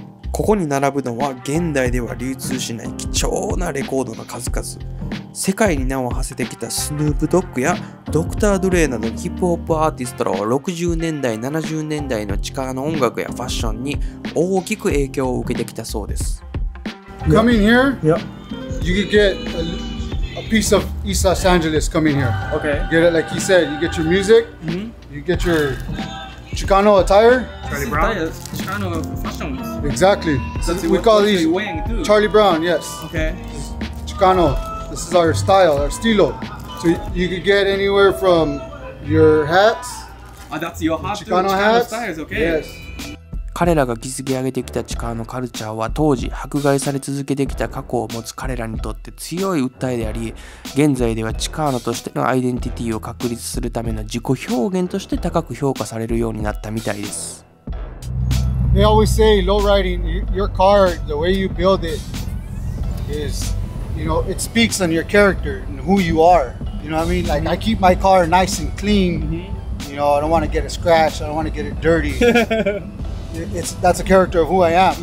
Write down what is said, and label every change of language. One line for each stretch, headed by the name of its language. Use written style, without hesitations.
Japanese: ここに並ぶのは現代では流通しない貴重なレコードの数々、世界に名を馳せてきたスヌープドッグやドクター・ドレイなどヒップホップアーティストらは60年代70年代のチカーノ音楽やファッションに大きく影響を受けてきたそうです。
English: Come in here? Yeah. You can getA piece of East Los Angeles coming here. Okay. Get it, like he said, you get your music, you get your Chicano attire. Charlie Brown? Chicano fashion. Exactly. We call these wearing too. Charlie Brown, yes. Okay. Chicano, this is our style, our stilo. So you could get anywhere from your hats. Ah, that's your hat. Chicano hats. Styles, okay. Yes.
Japanese: 彼らが築き上げてきたチカーノカルチャーは当時迫害され続けてきた過去を持つ彼らにとって強い訴えであり、現在ではチカーノとしてのアイデンティティを確立するための自己表現として高く評価されるようになったみたいです。
English: They always say low riding, your car, the way you build it is, you know, it speaks on your character and who you are, you know what I mean? Like, I keep my car nice and clean, you know, I don't want to get a scratch, I don't want to get it dirty. That's a character of who I am.